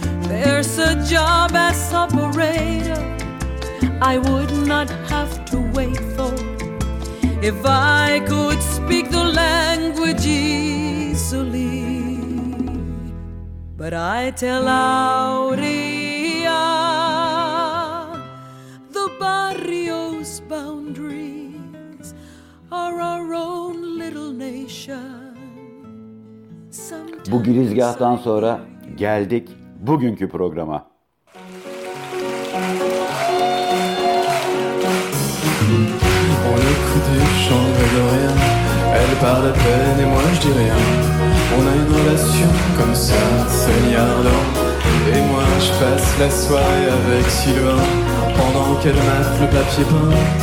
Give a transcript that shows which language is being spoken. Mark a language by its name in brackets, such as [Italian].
[English] There's a job as operator I would not have to wait for if I could speak the language easily. But I tell Aurea, the barrio's boundaries are our own little nation. [Turkish] Bu girizgâhtan sonra geldik bugünkü programa. [French] On écoute des chants de rien, elle parle à peine et moi je dis rien. On a une relation comme ça, c'est niardant. Et moi je passe la soirée avec Sylvain, pendant qu'elle mate le papier peint.